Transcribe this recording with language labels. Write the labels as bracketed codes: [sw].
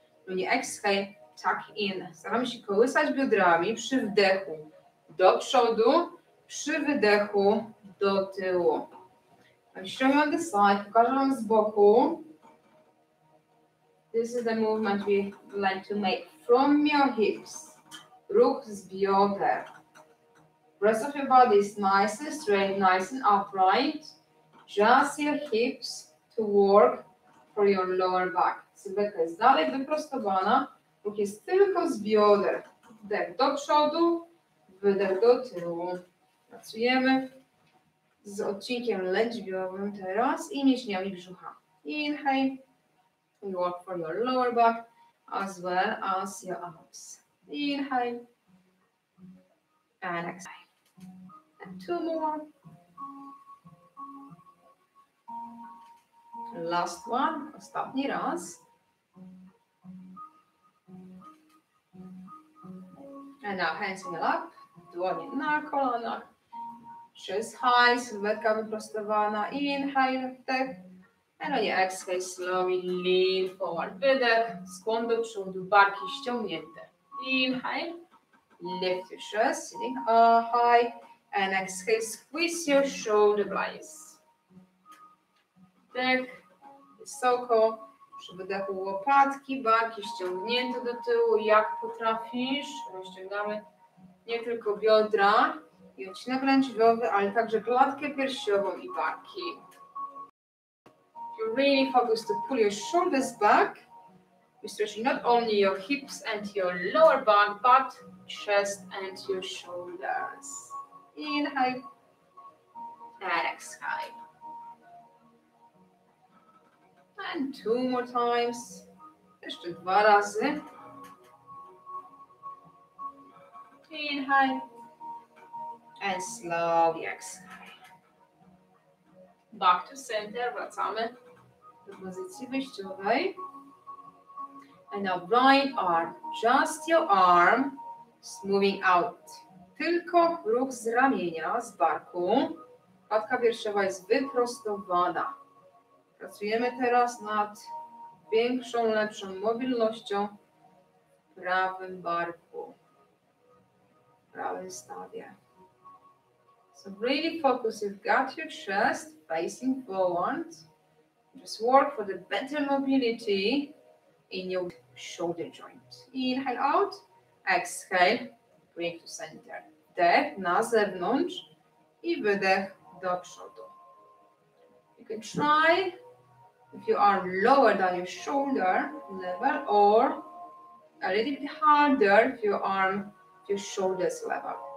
[en] When you exhale, tuck in. [pl] Staramy się kołysać biodrami przy wdechu do przodu, przy wydechu do tyłu. [en] I'm showing you on the side, [pl] pokażę wam z boku. [en] This is the movement we like to make from your hips. [pl] Ruch z bioder. [en] Rest of your body is nice and straight, nice and upright. Just your hips to work for your lower back. [pl] Sylwetka jest dalej wyprostowana, ruch jest tylko z bioder. Wdech do przodu, wydech do tyłu. Pracujemy z odcinkiem lędźwiowym teraz i mięśniami brzucha. [en] Inhale, you work for your lower back as well as your abs. Inhale, and exhale. And two more. Last one, [pl] ostatni raz. [en] And now hands in the lap, [pl] dłoni na kolanach. Przez haj, sylwetka wyprostowana, [en] inhale, [pl] wdech. [en] And on your exhale, slowly lean forward, [pl] wydech, skłon do przodu, barki ściągnięte. [en] Inhale, lift your chest, sitting high. And exhale, squeeze your shoulder blades. [pl] Wdech, wysoko, przy wydechu łopatki, barki ściągnięte do tyłu, jak potrafisz. Rozciągamy nie tylko biodra i odcinek lędźwiowy, ale także klatkę piersiową i barki. [en] You really focus to pull your shoulders back. You stretch not only your hips and your lower back, but chest and your shoulders. Inhale. And exhale. And two more times. [pl] Jeszcze dwa razy. [en] Inhale. And slowly exhale. Back to center. [pl] Wracamy do pozycji wyjściowej. [en] And now right arm, just your arm, moving out. [pl] Tylko ruch z ramienia, z barku. Klatka piersiowa jest wyprostowana. Pracujemy teraz nad większą, lepszą mobilnością w prawym barku, w prawym stawie. [en] So really focus, you've got your chest facing forward. Just work for the better mobility in your shoulder joint. Inhale out, exhale, bring to center. [pl] Wdech na zewnątrz i wydech do przodu. [en] You can try if you are lower than your shoulder level or a little bit harder if you are your shoulders level.